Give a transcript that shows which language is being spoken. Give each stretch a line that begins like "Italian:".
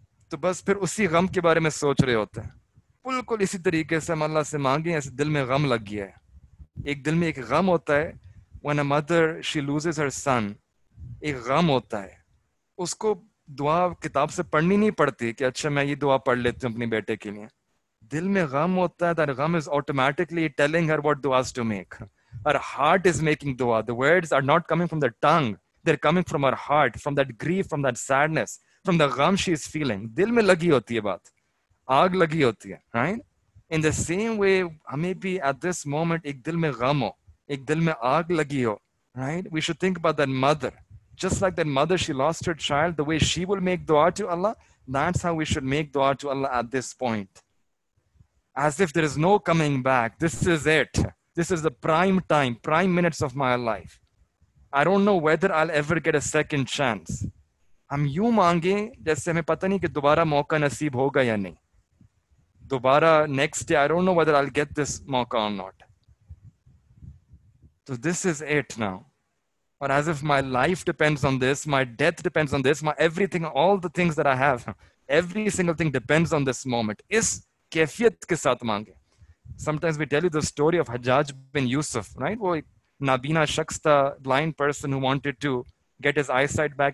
Hindi: तो बस फिर उसी गम के बारे में सोच रहे होते हैं. बिल्कुल इसी तरीके से हम अल्लाह से मांगे, ऐसे दिल में गम लग गया है. एक दिल में एक गम होता है.
English: When a mother, she loses her son,
Hindi: एक गम होता है. उसको दुआ किताब से पढ़नी नहीं पड़ती कि अच्छा मैं ये दुआ पढ़ लेती हूँ अपने बेटे के लिए. दिल में गम होता है.
English: That गम is automatically telling her what दुआज to make. Her heart is making दुआ. The words are not coming from the tongue, they are coming from her heart, from that grief, from that sadness. From the gham she is feeling.
Hindi: Dil mein lagi hoti hai baat. Aag lagi hoti hai. Right?
English: In the same way,
Hindi: hame bhi
English: at this moment,
Hindi: ek dil mein gham ho. Ek dil mein aag lagi ho. Right?
English: We should think about that mother. Just like that mother, she lost her child. The way she will make dua to Allah, that's how we should make dua to Allah at this point. As if there is no coming back. This is it. This is the prime time, prime minutes of my life. I don't know whether I'll ever get a second chance.
Hindi: हम यूं मांगे जैसे हमें पता नहीं कि दोबारा मौका नसीब होगा या नहीं.
English: दोबारा next day, I don't know whether I will get this मौका or not. तो this is it now. Or as if my life depends on this, my death depends on this, my everything, all the things that I have, every single thing depends on this moment.
Hindi: Is kaifiyat ke saath mange.
English: Sometimes we tell you the story of Hajjaj bin Yusuf, right?
Hindi: Wo nabina shakhs tha,
English: blind person who wanted to get his eyesight back.